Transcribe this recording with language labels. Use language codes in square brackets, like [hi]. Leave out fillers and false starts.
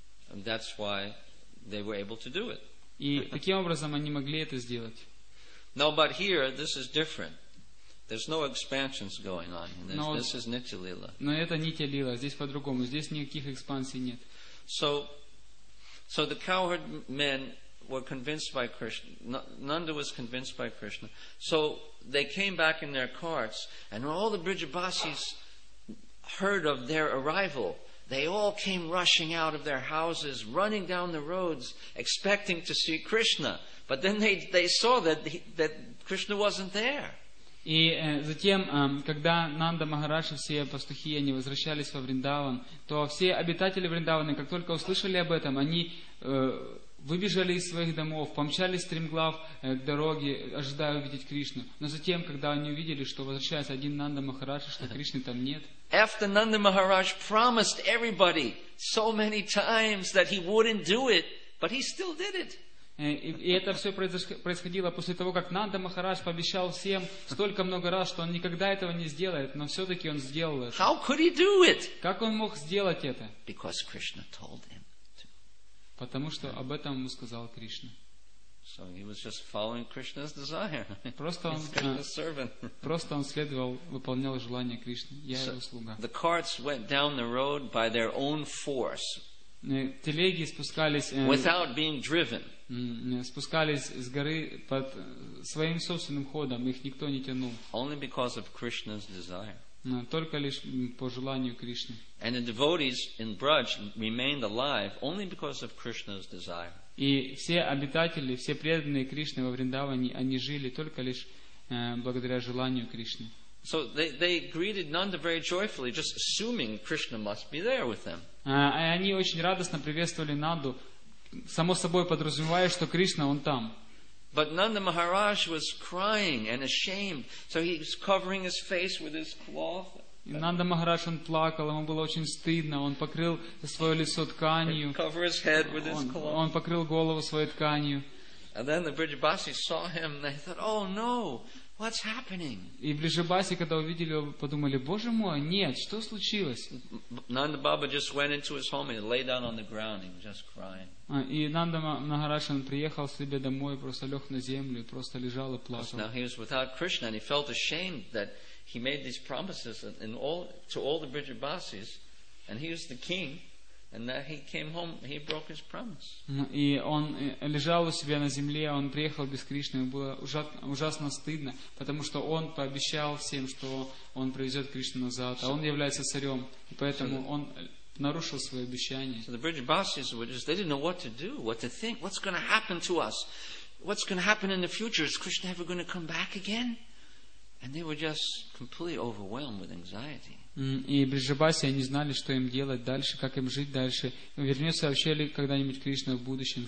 [en] And that's why they were able to do it. [ru] И таким образом они могли это сделать. [en] No, but here this is different. There's no expansions going on. This is Nitya Lila. [ru] Но это Нитья Лила. Здесь по-другому. Здесь никаких экспансий нет. [en] So the cowherd men were convinced by Krishna. Nanda was convinced by Krishna. So they came back in their carts, and when all the Brijabasis heard of their arrival, they all came rushing out of their houses, running down the roads, expecting to see Krishna. But then they saw that Krishna wasn't there. [ru] И затем, когда Нанда Махарадж и все пастухи они возвращались во Вриндаван, то все обитатели Вриндавана, как только услышали об этом, они выбежали из своих домов, помчались стремглав к дороге, ожидая увидеть Кришну. Но затем, когда они увидели, что возвращается один Нанда Махарадж, что Кришны там нет. [en] After Nanda Maharaj promised everybody so many times that he wouldn't do it, but he still did it. [ru] И это все происходило после того, как Нанда Махарадж пообещал всем столько много раз, что он никогда этого не сделает, но все-таки он сделал это. [en] How could he do it? [ru] Как он мог сделать это? [en] Because Krishna told him to. [ru] Потому что об этом ему сказал Кришна. [en] So he was just following Krishna's desire. [ru] Просто он, просто он следовал, выполнял желание Кришны. Я его слуга. [en] The carts went down the road by their own force. [ru] Телеги спускались, [en] without being driven. [ru] Спускались с горы под своим собственным ходом, их никто не тянул. [en] Only because of Krishna's desire. [ru] Только лишь по желанию Кришны. [en] And the devotees in Braj remained alive only because of Krishna's desire. [ru] И все обитатели, все преданные Кришне во Вриндаване, они жили только лишь благодаря желанию Кришны. [en] So they greeted Nanda very joyfully, just assuming Krishna must be there with them. [ru] И они очень радостно приветствовали Нанду, само собой подразумевая, что Кришна, он там. [en] But Nanda Maharaj was crying and ashamed, so he was covering his face with his cloth. [ru] И Нанда Махарадж, он плакал, ему было очень стыдно, он покрыл свое лицо тканью, он покрыл голову своей тканью. [en] And then the Vrijabasi saw him, and they thought, oh no, what's happening? [ru] И Вриджабаси, когда увидели его, подумали, боже мой, нет, что случилось? [en] Nanda Baba just went into his home and lay down on the ground, and just crying. [ru] И Нанда Махарадж, он приехал себе домой, просто лег на землю, просто лежал и плакал. [en] Now he was without Krishna, and he felt ashamed that he made these promises in all, to all the Vrijabasis, and he was the king, and that he came home, he broke his promise. [ru] И он лежал у себя на земле, он приехал без Кришны, ему было ужасно стыдно, потому что он пообещал всем, что он привезет Кришну назад, а он является царем, и поэтому он нарушил свое обещание. [en] So the Vrijabasis were just, they didn't know what to do, what to think, what's going to happen to us, what's going to happen in the future, is Krishna ever going to come back again? And they were just completely overwhelmed with anxiety. [ru] И Бриджабаси, они знали, что им делать дальше, как им жить дальше. Вернется вообще ли когда-нибудь Кришна в будущем?